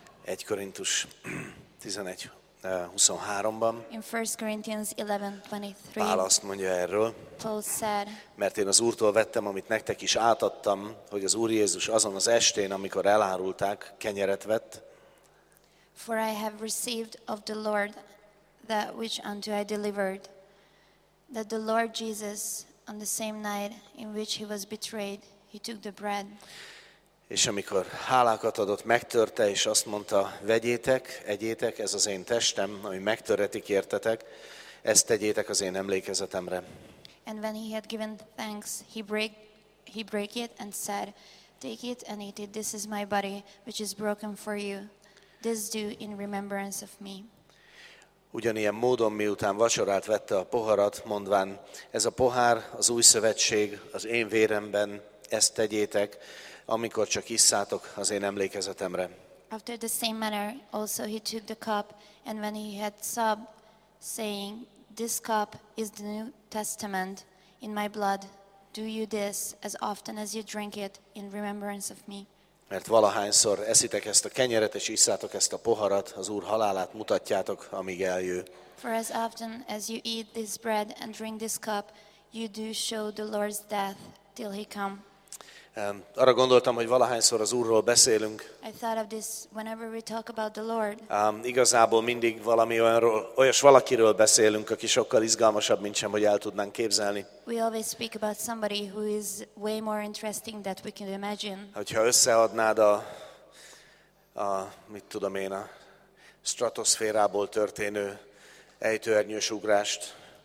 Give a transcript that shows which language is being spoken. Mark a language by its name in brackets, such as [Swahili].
[Hungarian] 1 Korintus 11. 23-ban. [English] In 1 Corinthians 11:23. [Hungarian] Pál azt mondja erről. [English] Paul said, [Hungarian] mert én az Úrtól vettem, amit nektek is átadtam, hogy az Úr Jézus azon az estén, amikor elárulták, kenyeret vett. [English] For I have received of the Lord that which unto I delivered, that the Lord Jesus, on the same night in which he was betrayed, he took the bread. [Hungarian] És amikor hálákat adott, megtörte, és azt mondta, vegyétek, egyétek, ez az én testem, ami megtöretik értetek, ezt tegyétek az én emlékezetemre. [English] And when he had given thanks, he break it and said, take it and eat it, this is my body, which is broken for you, this do in remembrance of me. [Hungarian] Ugyanilyen módon, miután vacsorát vette a poharat, mondván, ez a pohár az új szövetség, az én véremben, ezt tegyétek, amikor csak isszátok az én emlékezetemre. [English] After the same manner, also he took the cup, and when he had sobbed, saying, this cup is the New Testament in my blood, do you this as often as you drink it in remembrance of me. [Hungarian] Mert valahányszor eszitek ezt a kenyeret, és isszátok ezt a poharat, az Úr halálát mutatjátok, amíg eljő. [English] For as often as you eat this bread and drink this cup, you do show the Lord's death till he come. [Hungarian] Arra gondoltam, hogy valahányszor az Úrról beszélünk. [English] I thought of this whenever we talk about the Lord. [Hungarian] Igazából mindig valami olyanról, olyas valakiről beszélünk, aki sokkal izgalmasabb, mint sem, hogy el tudnánk képzelni. [English] We always speak about somebody who is way more interesting than we can imagine. [Hungarian] Hogyha összeadnád a mit tudom én, a stratoszférából történő ejtőernyős ugrást.